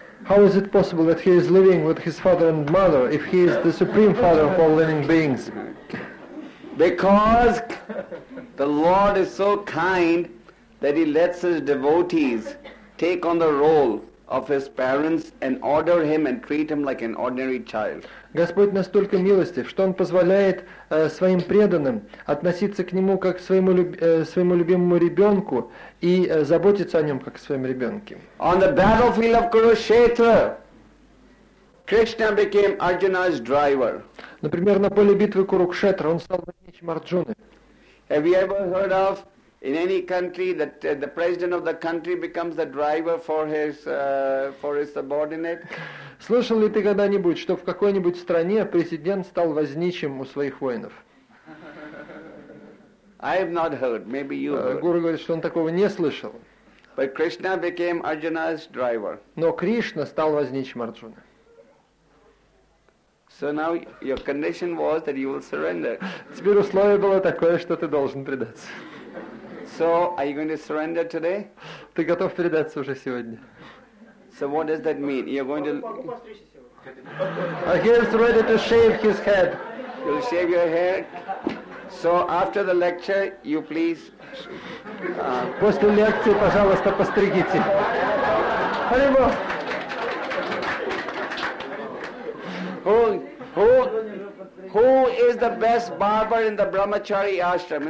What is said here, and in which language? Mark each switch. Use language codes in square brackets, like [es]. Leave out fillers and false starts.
[en] How is it possible that he is living with his father and mother if he is the supreme father of all living beings? Because the Lord is so kind that he lets his devotees take on the role of his parents and order him and treat him like an ordinary child. [ru] Господь настолько милостив, что он позволяет своим преданным относиться к нему как к своему своему любимому ребенку и заботиться о нем как о своем ребенке. [en] On the battlefield of Kurukshetra, Krishna became Arjuna's driver. [ru] Например, на поле битвы Курукшетра он стал водителем Арджуны. [en] Have you ever heard of in any country that the president of the country becomes the driver for his subordinate? [ru] Слышал ли ты когда-нибудь, что в какой-нибудь стране президент стал возничим у своих воинов? [en] I have not heard. Maybe you heard. [ru] Гуру говорит, что он такого не слышал. [en] But Krishna became Arjuna's driver. [ru] Но Кришна стал возничим Арджуны. [en] So now your condition was that you will surrender. [ru] Теперь условие было такое, что ты должен предаться. [en] So, are you going to surrender today? [ru] Ты готов предаться уже сегодня? [en] So what does that mean? You're going to... He is ready to shave his head. You'll shave your hair? So after the lecture, you please... [ru] После лекции, пожалуйста, постригите. [en] Who is the best barber in the Brahmachari ashram?